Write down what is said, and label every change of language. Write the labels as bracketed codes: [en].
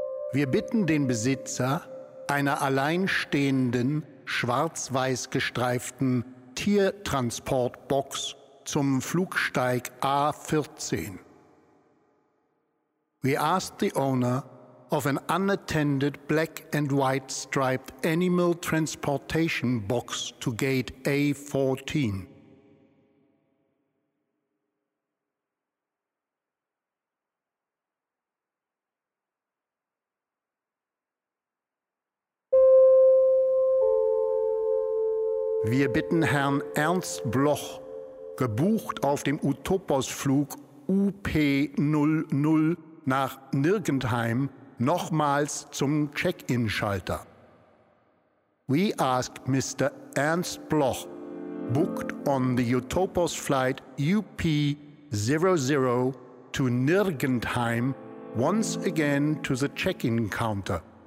[de] Wir bitten den Besitzer einer alleinstehenden, schwarz-weiß gestreiften Tiertransportbox zum Flugsteig A14. [en] We ask the owner of an unattended black and white striped animal transportation box to gate A14. [de] Wir bitten Herrn Ernst Bloch, gebucht auf dem Utopos-Flug UP00 nach Nirgendheim, nochmals zum Check-in-Schalter. [en] We ask Mr. Ernst Bloch, booked on the Utopos flight UP00 to Nirgendheim, once again to the check-in counter.